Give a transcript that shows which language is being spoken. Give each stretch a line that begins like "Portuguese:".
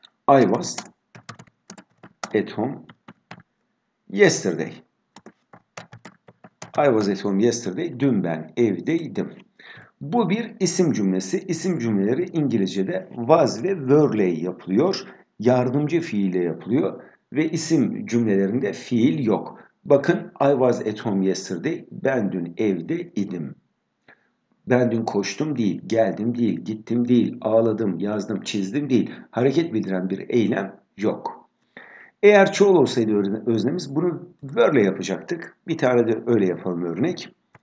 English: I was at home yesterday. I was at home yesterday.
Turkish: Dün ben evdeydim. Bu bir isim cümlesi. İsim cümleleri İngilizce'de was ve were ile yapılıyor. Yardımcı fiil ile yapılıyor. Ve isim cümlelerinde fiil yok. Bakın
English: I was at home yesterday.
Turkish: Ben dün evdeydim. Ben dün koştum değil, geldim değil, gittim değil, ağladım, yazdım, çizdim değil. Hareket bildiren bir eylem yok. Eğer çoğul olsaydı öznemiz bunu were ile yapacaktık. Bir tane de öyle yapalım örnek.